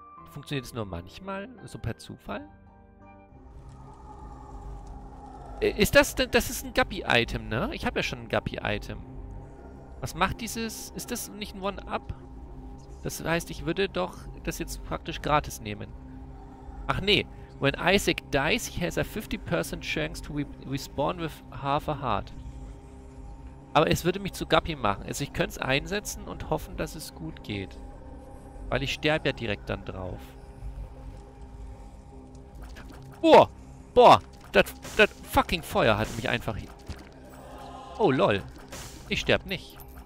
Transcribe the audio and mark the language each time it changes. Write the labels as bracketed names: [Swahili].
[German] Funktioniert es nur manchmal? So per Zufall? Ist das denn? Das ist ein Guppy-Item, ne? Ich habe ja schon ein Guppy-Item. Was macht dieses? Ist das nicht ein One-Up? Das heißt, ich würde doch das jetzt praktisch gratis nehmen. Ach nee. [English] When Isaac dies, he has a 50% chance to respawn with half a heart. [German] Aber es würde mich zu Guppy machen. Also ich könnte es einsetzen und hoffen, dass es gut geht. Weil ich sterbe ja direkt dann drauf. Boah! Boah! Das fucking Feuer hat mich einfach... Oh, lol. Ich sterbe nicht.